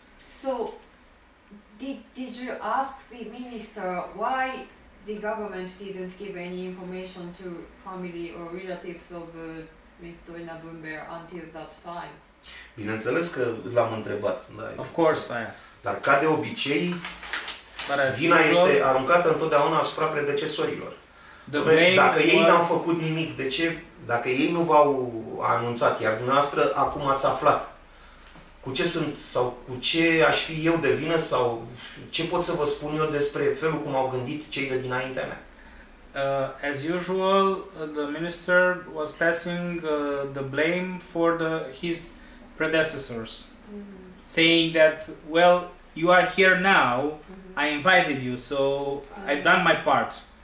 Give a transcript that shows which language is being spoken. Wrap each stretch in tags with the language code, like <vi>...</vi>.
<en>So, did you ask the minister why the government didn't give any information to family or relatives of Ms. Doina Bumbea until that time?</en> <ro>Bineînțeles că l-am întrebat. Da,</ro> <en>of course, I have.</en> <ro>Dar ca de obicei, vina este aruncată întotdeauna asupra predecesorilor. Dacă ei n-au făcut nimic, de ce? Dacă ei nu v-au anunțat, iar dumneavoastră acum ați aflat, cu ce sunt sau cu ce aș fi eu de vină sau ce pot să vă spun eu despre felul cum au gândit cei de dinaintea mea?</ro> <en>As usual, the minister was passing the blame for his predecessors, mm-hmm. saying that, well, you are here now, mm-hmm. I invited you, so mm-hmm. I've done my part.</en>